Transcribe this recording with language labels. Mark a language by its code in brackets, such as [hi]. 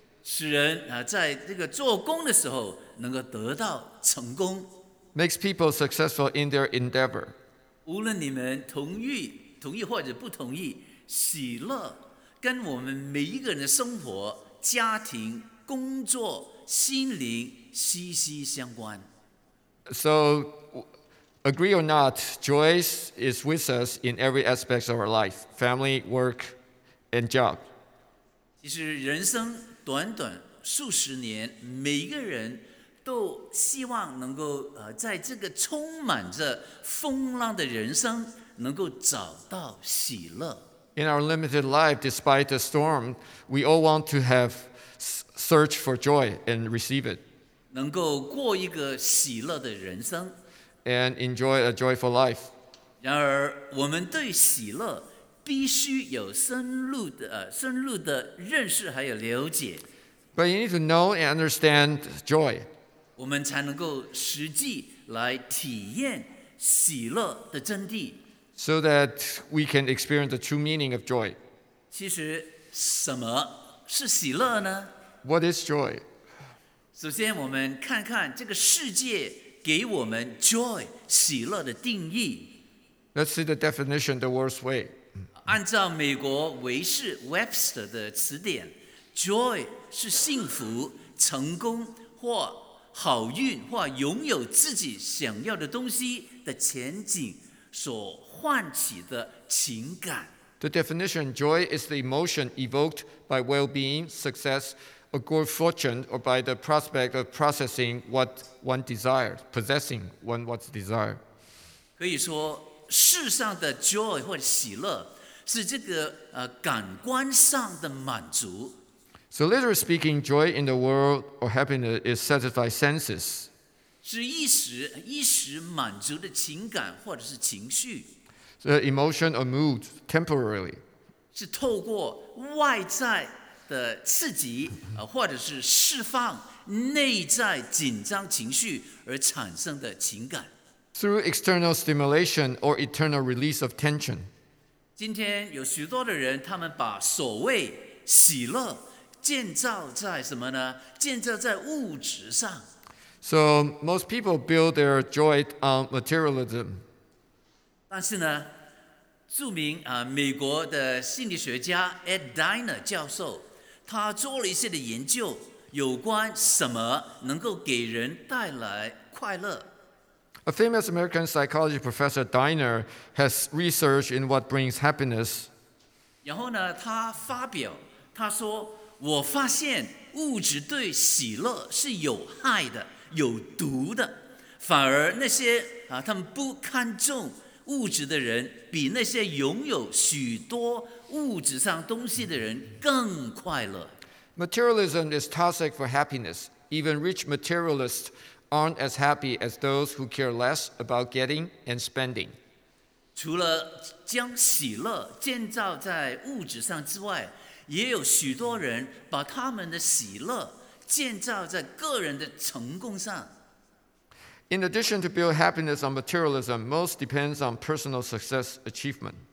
[zh] 使人，在这个做工的时候能够得到成功。 [en] Makes people successful in their endeavor. [zh] 无论你们同意或者不同意，喜乐跟我们每一个人的生活、家庭、工作、心灵息息相关。 [en] So, agree or not, joy is with us in every aspect of our life, family, work, and job. [zh] 其实人生短短数十年，每一个人都希望能够在这个充满着风浪的人生，能够找到喜乐。 [en] In our limited life, despite the storm, we all want to have search for joy and receive it. [zh] 能够过一个喜乐的人生 [en] and enjoy a joyful life. [zh] 然而我们对喜乐必须有深入的认识还有了解 [en] But you need to know and understand joy. [zh] 我们才能够实际来体验喜乐的真谛 [en] So that we can experience the true meaning of joy. [zh] 其实什么是喜乐呢 [en] What is joy? [zh] 首先我们看看这个世界给我们 joy 喜乐的定义 [en] Let's see the definition the worst way [zh] 按照美国维士 Webster 的词典 joy 是幸福成功或好运或拥有自己想要的东西的前景所唤起的情感 [en] The definition joy is the emotion evoked by well-being, successor good fortune, or by the prospect of possessing what one desires, possessing what's desired. [zh] 可以说，世上的 joy 或喜乐是这个感官上的满足。 [en] So literally speaking, joy in the world or happiness is satisfied senses. [zh] 是一时满足的情感或者是情绪。 [en] The emotion or mood temporarily. [zh] 是透过外在。的刺激，或者是释放内在紧张情绪而产生的情感。 [en] Through external stimulation or internal release of tension. [zh] 今天有许多的人，他们把所谓喜乐建造在什么呢？建造在物质上。 [en] So most people build their joy on materialism. [zh] 但是呢，著名美国的心理学家 Ed Diner 教授。他做了一些的研究，有关什么能够给人带来快乐。 [en] A famous American psychology professor Diner has researched in what brings happiness. [zh] 然后呢，他发表，他说：“我发现物质对喜乐是有害的、有毒的，反而那些他们不看重物质的人，比那些拥有许多。” 物质上东西的人更快乐。 [en] Materialism is toxic for happiness. Even rich materialists aren't as happy as those who care less about getting and spending. [zh] 除了将喜乐建造在物质上之外，也有许多人把他们的喜乐建造在个人的成功上。 [en] In addition to build happiness on materialism, most depends on personal success achievement.